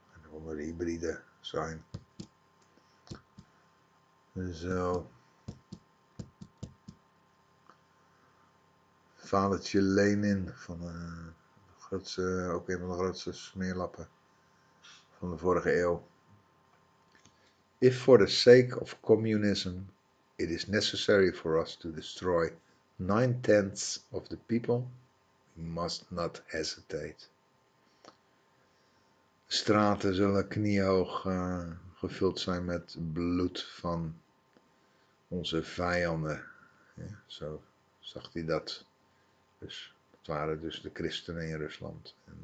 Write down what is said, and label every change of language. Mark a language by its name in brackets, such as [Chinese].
[Dutch] En onder hybride zijn. Zo. Vadertje Lenin. Van de grootste, ook een van de grootste smeerlappen. Van de vorige eeuw. [English] If for the sake of communism, it is necessary for us to destroy 9/10 of the people, we must not hesitate. [Dutch] Straten zullen kniehoog gevuld zijn met bloed van onze vijanden. Ja, zo zag hij dat. Dus het waren dus de christenen in Rusland.